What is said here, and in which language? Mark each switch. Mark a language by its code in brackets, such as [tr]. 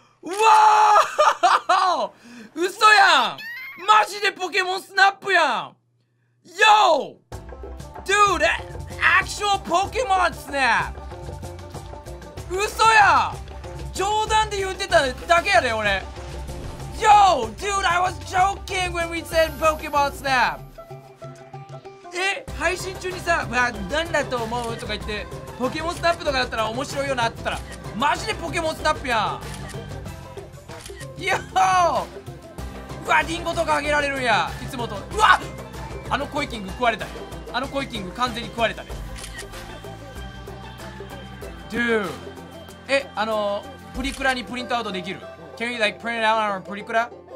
[ja] Wow! 嘘やん！マジでポケモンスナップやん！ [en] Yo! Dude! Actual Pokemon Snap! [ja] 嘘やん！冗談で言ってただけやで俺。 [en] Yo, dude, I was joking when we said Pokemon Snap. [ja] え、配信中にさ、まあ、何だと思うとか言って、ポケモンスナップとかだったら面白いよなって言ったら、マジでポケモンスナップやん。 [en] Yo! [ja] うわ、リンゴとかあげられるんや、いつもと。うわ、あのコイキング食われたね。あのコイキング完全に食われたね。 Dude. え、プリクラにプリントアウトできる？ [en] Can you like print it out on a Prikura?